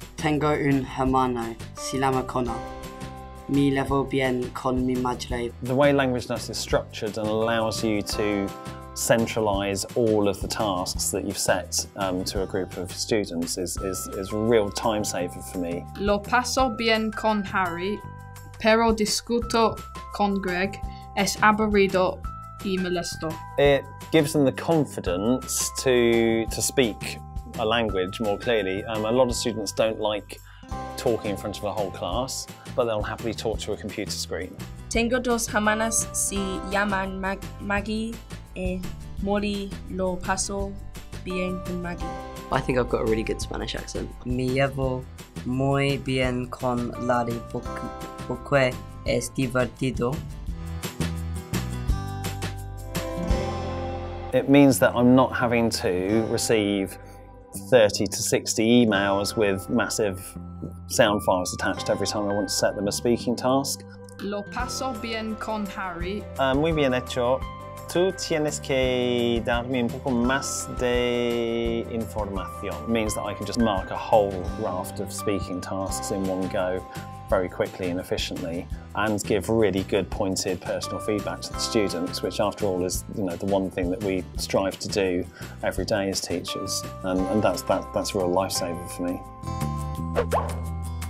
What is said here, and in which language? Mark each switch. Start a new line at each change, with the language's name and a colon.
Spanish: Tengo un hermano, se llama Connor. Me llevo bien con mi madre.
English: The way Languagenut is structured and allows you to centralise all of the tasks that you've set to a group of students is a real time saver for me.
Spanish: Lo paso bien con Harry, pero discuto con Greg, es aburrido y molesto.
English: It gives them the confidence to speak a language more clearly. A lot of students don't like talking in front of a whole class, but they'll happily talk to a computer screen.
Spanish: Tengo dos hermanas, se llaman Maggie y Molly. Lo paso bien con Maggie.
English: I think I've got a really good Spanish accent.
Spanish: Me llevo muy bien con Larry porque es divertido.
English: It means that I'm not having to receive 30 to 60 emails with massive sound files attached every time I want to set them a speaking task.
Spanish: Lo paso bien con Harry. Muy bien hecho. Tú tienes que darme un poco más de información.
English: It means that I can just mark a whole raft of speaking tasks in one go very quickly and efficiently and give really good pointed personal feedback to the students, which after all is, you know, the one thing that we strive to do every day as teachers, and that's a real lifesaver for me.